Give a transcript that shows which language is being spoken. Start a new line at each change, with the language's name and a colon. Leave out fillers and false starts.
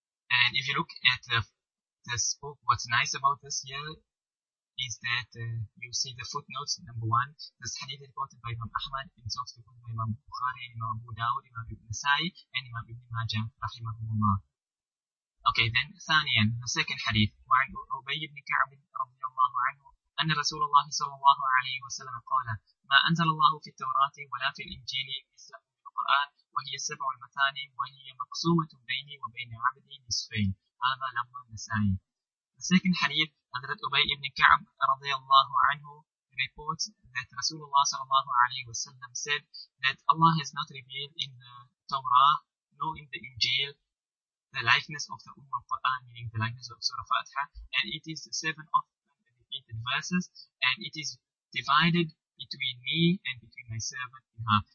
English: And if you look at this book, what's nice about this here is that you see the footnotes. Number one, this hadith is reported by Imam Ahmad, and it's also reported by Imam Bukhari, Imam Abu Dawud, Imam Ibn Nasa'i, and Imam Ibn Majah, rahimahumullah. Okay, then, thaniyan, the second hadith.
Arabic: وعن أبي بن كعب رضي الله عنه أن رسول الله صلى الله عليه وسلم قال ما أنزل الله في التوراة ولا في الإنجيل مثل القرآن وهي سبع المثاني وهي مقسومة بيني وبين عبدي نصفين هذا لفظ النسائي.
English: The second hadith, Hadrat Ubay ibn Ka'b radiallahu anhu reports that Rasulullah sallallahu alayhi wa sallam said that Allah has not revealed in the Torah nor in the Injil the likeness of the Ummah al-Quran, meaning the likeness of Surah Fatiha, and it is the seven of the repeated verses, and it is divided between me and between my servant and her.